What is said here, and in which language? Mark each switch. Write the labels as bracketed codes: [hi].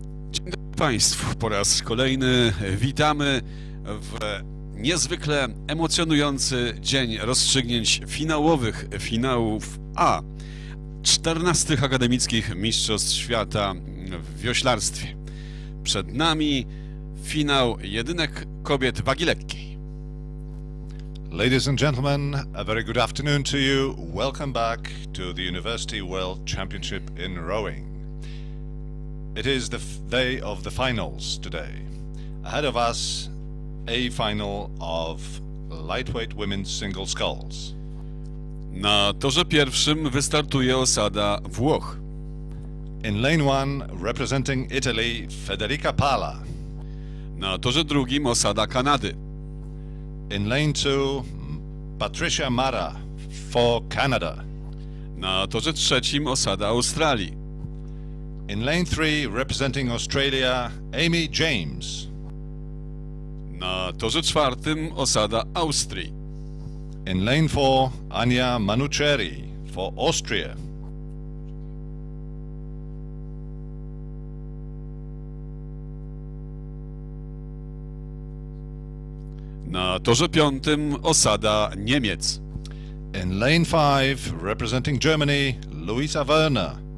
[pl] Dzień dobry Państwu, po raz kolejny witamy w niezwykle emocjonujący dzień rozstrzygnięć finałowych finałów A 14 akademickich mistrzostw świata w wioślarstwie. Przed nami finał jedynek kobiet wagi lekkiej. [en] Ladies and gentlemen, a very good afternoon to you. Welcome back to the University World Championship in Rowing. It is the day of the finals today. Ahead of us, a final of lightweight women's single sculls. [pl] Na torze pierwszym wystartuje osada Włoch. [en] In lane one, representing Italy, Federica Pala. [pl] Na torze drugim osada Kanady. [en] In lane two, Patricia Mara for Canada. [pl] Na torze trzecim osada Australii. [en] In lane three, representing Australia, Amy James. [pl] Na torze czwartym osada Austrii. [en] In lane four, Anja Manucheri for Austria. [pl] Na torze piątym osada Niemiec. [en] In lane five, representing Germany, Luisa Werner.